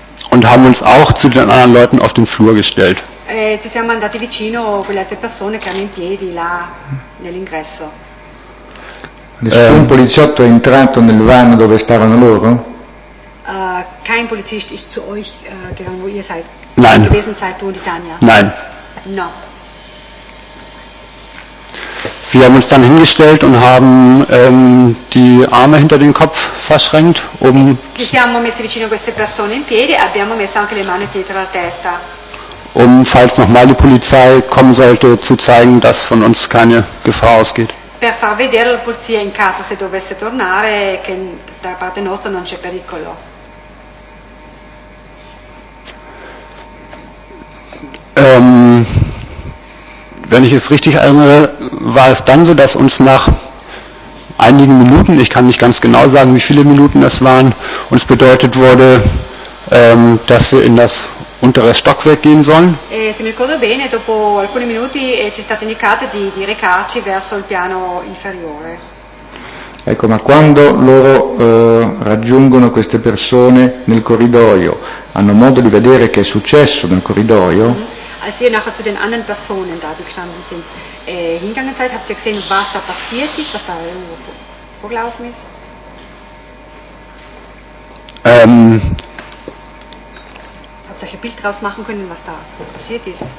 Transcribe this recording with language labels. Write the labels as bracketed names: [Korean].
[German] Und haben uns auch zu den anderen Leuten auf den Flur gestellt. [Italian] Ci siamo andati vicino quelle altre persone che erano in piedi là nell'ingresso. Nessun poliziotto è entrato nel van dove stavano loro? [German] Kein Polizist ist zu euch gegangen, wo ihr seid. Nein. Gewesen seid, du und Tanja. Nein. [Italian] No. [German] Wir haben uns dann hingestellt und haben die Arme hinter den Kopf verschränkt, um. [Italian] Ci siamo messi vicino a queste persone in piedi, abbiamo messo anche le mani dietro la testa. [German] Um, falls nochmal die Polizei kommen sollte, zu zeigen, dass von uns keine Gefahr ausgeht. [Italian] Per far vedere la polizia in caso se dovesse tornare che da parte nostra non c'è pericolo. [German] Wenn ich es richtig erinnere, war es dann so, dass uns nach einigen Minuten, ich kann nicht ganz genau sagen, wie viele Minuten es waren, uns bedeutet wurde, dass wir in das untere Stockwerk gehen sollen. [Italian] Se mi ricordo bene, dopo alcuni minuti ci è stato indicato di recarci verso il piano inferiore. Ecco, ma quando loro raggiungono queste persone nel corridoio, hanno modo di vedere che è successo nel corridoio? [German] Als ihr nachher zu den anderen Personen da, die gestanden sind, hingegangen seid, habt ihr gesehen, was da passiert ist, was da irgendwo vorgelaufen ist? Habt ihr euch ein Bild draus machen können, was da passiert ist?